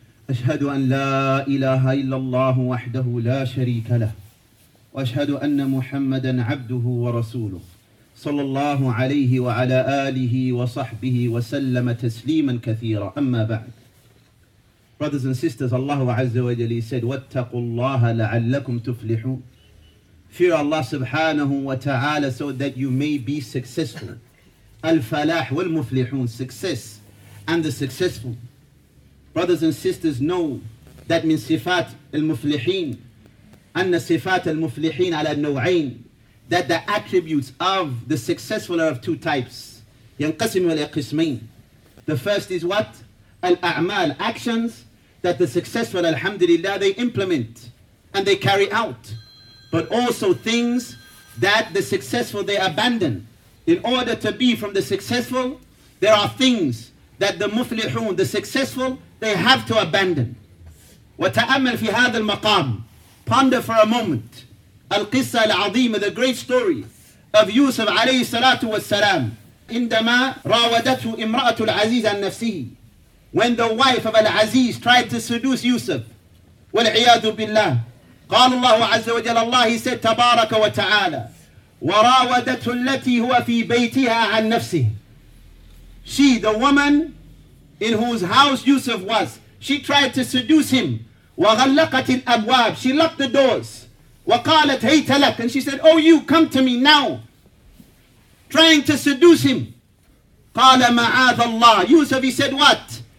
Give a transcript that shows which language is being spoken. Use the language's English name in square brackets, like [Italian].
[Arabic] أشهد أن لا إله إلا الله وحده لا شريك له وأشهد أن محمدا عبده ورسوله صلى الله عليه وعلى آله وصحبه وسلم تسليما كثيرا. أما بعد, [English] brothers and sisters, [Arabic] الله عز وجل [English] said, [Arabic] واتقوا الله لعلكم تفلحون. [English] Fear Allah subhanahu wa ta'ala so that you may be successful. Al-falah wal-muflihun, success and the successful. Brothers and sisters, know that [Arabic] min sifat al-muflihin, anna sifat al-muflihin ala nawain, [English] that the attributes of the successful are of two types. [Arabic] Yanqasimu ila qismain. [English] The first is what? Al-a'mal, actions that the successful, alhamdulillah, they implement and they carry out. But also things that the successful, they abandon. In order to be from the successful, there are things that the muflihun, the successful, they have to abandon. [Arabic] وَتَأَمَّلْ فِي هَذَا الْمَقَامِ. [English] Ponder for a moment. [Arabic] Al-Qissa al-Azima, [English] the great story of Yusuf alayhi salatu wassalam. [Arabic] عندما راودته امرأة العزيز عن نفسه. [English] When the wife of Al-Aziz tried to seduce Yusuf. [Arabic] وَالْعِيَادُ بِاللَّهِ. قال الله عز وجل, الله [English] said [Arabic] تبارك وتعالى وراودته التي هو في بيتها عن نفسه. [English] She, the woman in whose house Yusuf was, she tried to seduce him. [Arabic] وغلقت الأبواب, [English] she locked the doors. [Arabic] وقالت هيت لك, [English] and she said, oh you, come to me now, trying to seduce him. [Arabic] قال معاذ الله. [English] Yusuf, he said what?